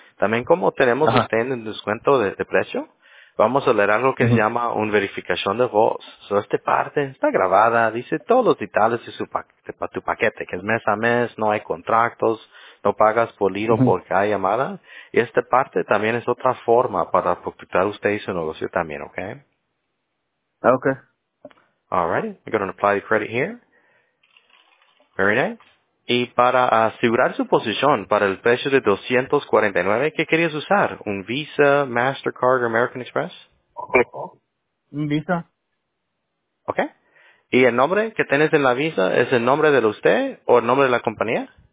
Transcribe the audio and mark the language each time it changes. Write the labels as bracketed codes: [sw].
[es] También como tenemos usted en descuento de precio, vamos a leer algo que se llama un verificación de voz. So esta parte está grabada, dice todos los detalles de tu paquete, que es mes a mes, no hay contratos. No pagas por lead o por cada llamada. Y esta parte también es otra forma para facturar usted y su negocio también, ¿ok? [en] Okay. Alrighty. I'm going to apply the credit here. Very nice. [es] Y para asegurar su posición, para el precio de $249, ¿qué querías usar? ¿Un Visa, MasterCard o American Express? Un Visa. Ok. ¿Y el nombre que tienes en la visa es el nombre de usted o el nombre de la compañía?